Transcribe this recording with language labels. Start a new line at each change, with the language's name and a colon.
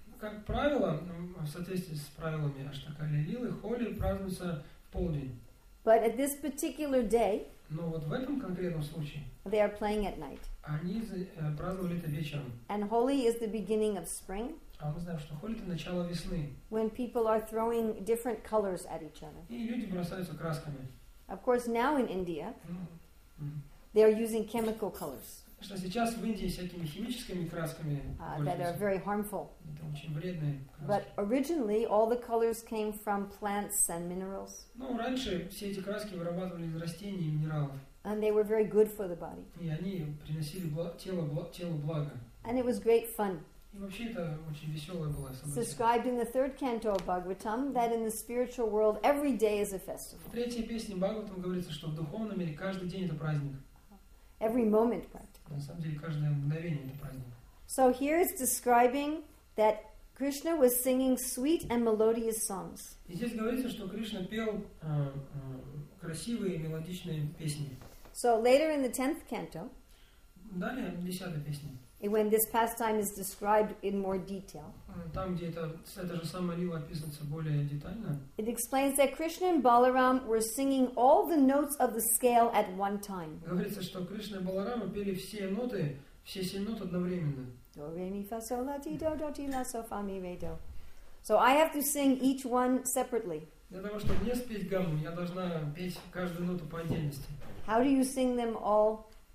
Russian: Как правило, в соответствии с правилами Ашта Кали Лилы, холи празднуется в полдень.
English: But at this particular day,
Russian: но вот в этом конкретном случае,
English: they are playing at night.
Russian: Они праздновали это вечером.
English: And holi is the beginning of spring.
Russian: А мы знаем, что холи это начало весны.
English: When people are throwing different colors at each other.
Russian: И люди бросаются красками.
English: Of course, now in India. They are using chemical colors.
Russian: Что сейчас в Индии всякими химическими красками
English: that are very harmful.
Russian: Это очень вредные краски.
English: But originally all the colors came from plants and minerals.
Russian: Ну, раньше все эти краски вырабатывали из растений и минералов.
English: And they were very good for the body.
Russian: И они приносили телу благо.
English: And it was great fun.
Russian: И вообще это очень веселое было событие.
English: Described in the third canto of Bhagavatam that in the spiritual world every day is a festival.
Russian: В третьей песне Бхагаватам говорится, что в духовном мире каждый день это праздник.
English: Every moment, practically.
Russian: На самом деле, каждое мгновение это праздник.
English: So here is describing that Krishna was singing sweet and melodious songs.
Russian: И здесь говорится, что Кришна пел красивые мелодичные песни.
English: So later in the 10th canto.
Russian: Далее в 10-й песне.
English: When this pastime is described in more detail.
Russian: Там, где это же самое лила описывается более детально.
English: It explains that Krishna and Balaram were singing all the notes of the scale at one time.
Russian: Говорится, что Кришна и Баларама пели все семь нот одновременно. До, ре, ми, фа, со, ла, ти, до, ти, ла, со, фа, ми, ре, до.
English: So I have to sing each one separately.
Russian: Для того, чтобы не спеть гамму, я должна петь каждую ноту по отдельности.
English: How do you sing them all?